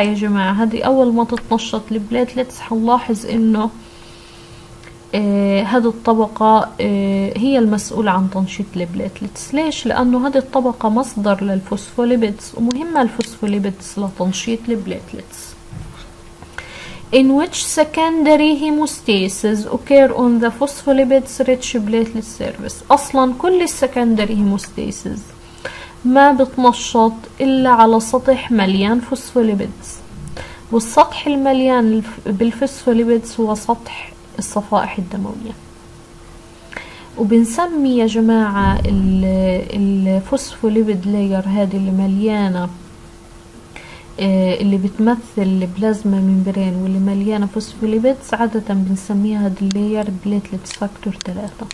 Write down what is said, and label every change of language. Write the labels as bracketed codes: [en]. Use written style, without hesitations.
[ar] يا جماعة هذه اول ما تتنشط البلاتلتس حنلاحظ انه هذه الطبقة هي المسؤولة عن تنشيط البلاتلتس. ليش؟ لانه هذه الطبقة مصدر للفوسفوليبيدز ومهمة الفوسفوليبيدز لتنشيط البلاتلتس. [en] In which secondary hemostasis occur on the phospholipids rich platelet surface. [ar] أصلا كل secondary hemostasis ما بتنشط إلا على سطح مليان phospholipids، والسطح المليان بالphospholipids هو سطح الصفائح الدموية. وبنسمي يا جماعة الphospholipid layer هذه اللي مليانة اللي بتمثل البلازما ميمبرين واللي مليانة فوسفوليبيدز عادة بنسميها هاد اللاير بلاتلتس فاكتور 3.